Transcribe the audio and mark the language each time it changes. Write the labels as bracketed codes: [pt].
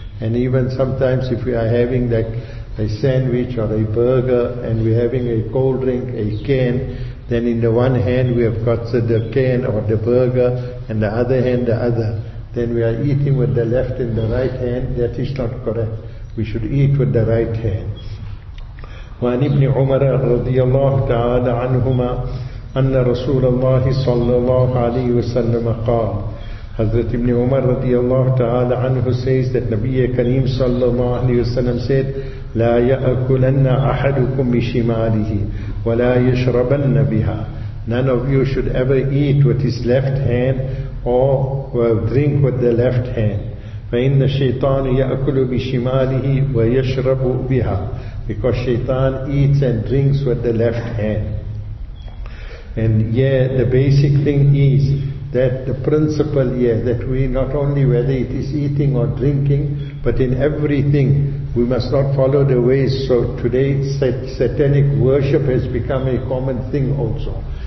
[en] And even sometimes if we are having like a sandwich or a burger and we're having a cold drink, a can, then in the one hand we have got the can or the burger, and the other hand the other. Then we are eating with the left and the right hand. That is not correct. We should eat with the right hand. [ar] وعن ابن عمر رضي الله تعالى عنهما أن رسول الله صلى الله عليه وسلم قال. Hazrat ibn Umar رضي الله تعالى عنه [en] says that [ar] نبي كريم صلى الله عليه وسلم [en] said, [ar] لا يأكلن أحدكم بشماله ولا يشربن بها. [en] None of you should ever eat with his left hand or drink with the left hand. [ar] فإن الشيطان يأكل بشماله ويشرب بها. [en] Because shaitan eats and drinks with the left hand. And yeah, the basic thing is that the principle, yeah, that we not only whether it is eating or drinking, but in everything, we must not follow the ways. So today, satanic worship has become a common thing also.